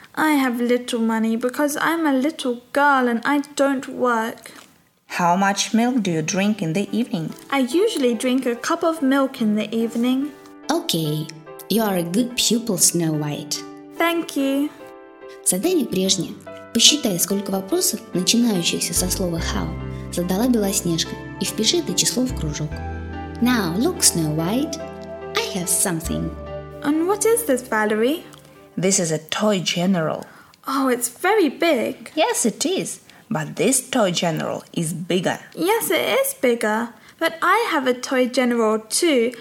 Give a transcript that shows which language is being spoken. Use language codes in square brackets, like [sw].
[en] I have little money because I'm a little girl and I don't work. How much milk do you drink in the evening? I usually drink a cup of milk in the evening. Okay, you are a good pupil, Snow White. Thank you. [ru] Задание прежнее. Посчитай, сколько вопросов, начинающихся со слова how, задала Белоснежка, и впиши это число в кружок. [en] Now, look, Snow White, I have something. And what is this, Valerie? This is a toy general. Oh, it's very big. Yes, it is. But this toy general is bigger. Yes, it is bigger. But I have a toy general too.